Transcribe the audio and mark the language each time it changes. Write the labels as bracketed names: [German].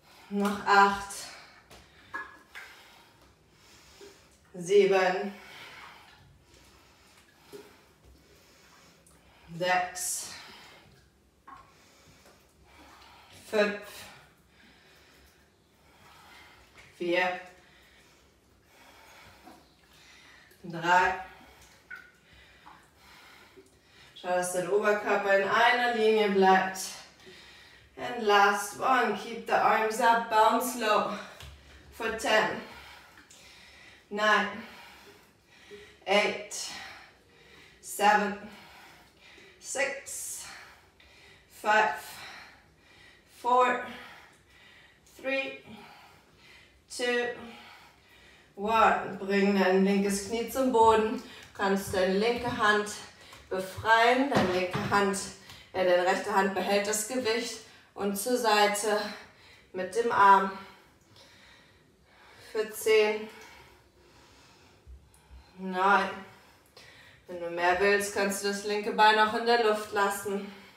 [German] Noch 8, 7, 6, 5, 4, 3. Schau, dass dein Oberkörper in einer Linie bleibt. [English] And last one, keep the arms up, bounce low for 10, 9, 8, 7, 6, 5, 4, 3, 2, 1. [German] Bring dein linkes Knie zum Boden, kannst deine linke Hand befreien, deine rechte Hand behält das Gewicht. Und zur Seite mit dem Arm für 10, 9, wenn du mehr willst, kannst du das linke Bein auch in der Luft lassen.